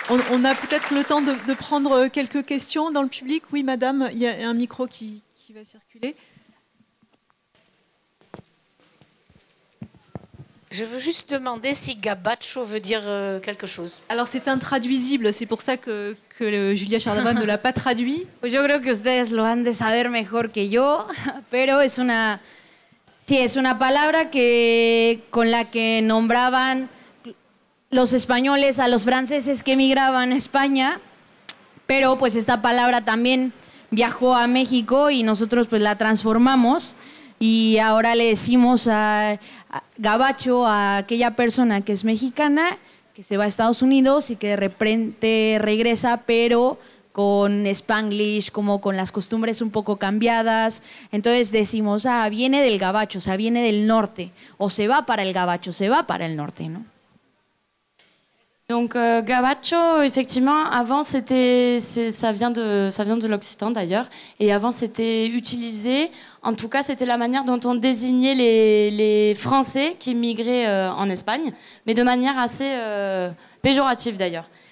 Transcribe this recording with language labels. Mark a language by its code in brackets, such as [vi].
[fr] On a peut-être le temps de prendre quelques questions dans le public. Oui, madame, il y a un micro qui va circuler. Je veux juste demander si Gabacho veut dire quelque chose. Alors, c'est intraduisible, c'est pour ça que Julia Charlevoix ne l'a pas traduit. Je crois que vous le savez mieux que moi, mais c'est une parole avec laquelle [es] nombraban los españoles a los franceses que emigraban a España, pero pues esta palabra también viajó a México y nosotros pues la transformamos y ahora le decimos a Gabacho, a aquella persona que es mexicana, que se va a Estados Unidos y que de repente regresa, pero con Spanglish, como con las costumbres un poco cambiadas. Entonces decimos, viene del Gabacho, o sea, viene del norte, o se va para el Gabacho, se va para el norte, ¿no? [fr] Donc Gabacho, effectivement, avant ça vient de l'Occitan d'ailleurs, et avant c'était utilisé, en tout cas c'était la manière dont on désignait les Français qui migraient en Espagne, mais de manière assez péjorative d'ailleurs.